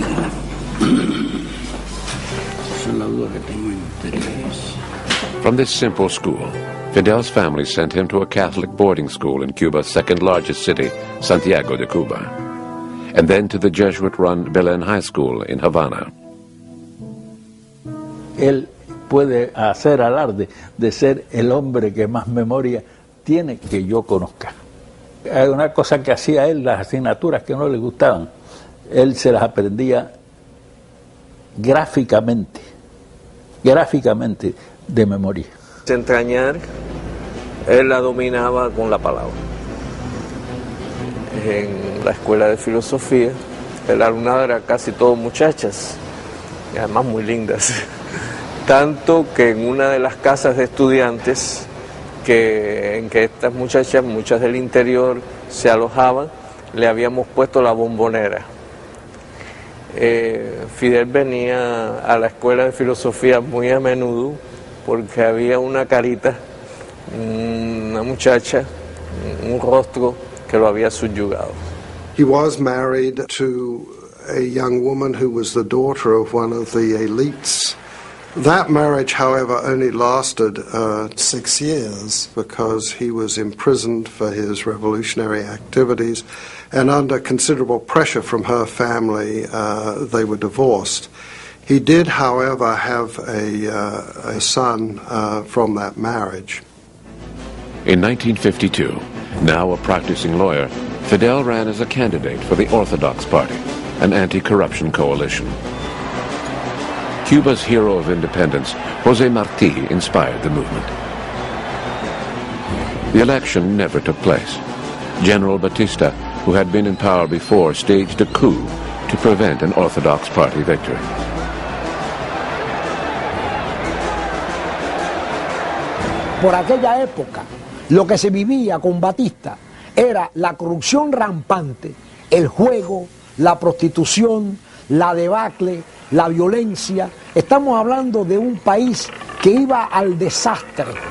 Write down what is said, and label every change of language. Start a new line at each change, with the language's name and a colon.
Spanish: Esa es la duda que tengo interés.
English: From this simple school, Fidel's family sent him to a Catholic boarding school in Cuba's second largest city, Santiago de Cuba. And then to the Jesuit-run Belen High School in Havana.
Spanish: Él puede hacer alarde de ser el hombre que más memoria tiene que yo conozca. Hay una cosa que hacía él, las asignaturas que no le gustaban, él se las aprendía gráficamente, gráficamente de memoria. Entrañar, él la dominaba con la palabra. En la escuela de filosofía, el alumnado era casi todo muchachas, y además muy lindas. Tanto que en una de las casas de estudiantes, en que estas muchachas, muchas del interior, se alojaban, le habíamos puesto la bombonera. Fidel venía a la escuela de filosofía muy a menudo, porque había una carita, una muchacha, un rostro, que lo había subyugado.
English: He was married to a young woman who was the daughter of one of the elites. That marriage, however, only lasted 6 years because he was imprisoned for his revolutionary activities, and under considerable pressure from her family, they were divorced. He did, however, have a son from that marriage. In 1952, now a practicing lawyer, Fidel ran as a candidate for the Orthodox Party, an anti-corruption coalition. Cuba's hero of independence, José Martí, inspired the movement. The election never took place. General Batista, who had been in power before, staged a coup to prevent an Orthodox Party victory.
Spanish: Por aquella época, lo que se vivía con Batista era la corrupción rampante, el juego, la prostitución, la debacle, la violencia. Estamos hablando de un país que iba al desastre.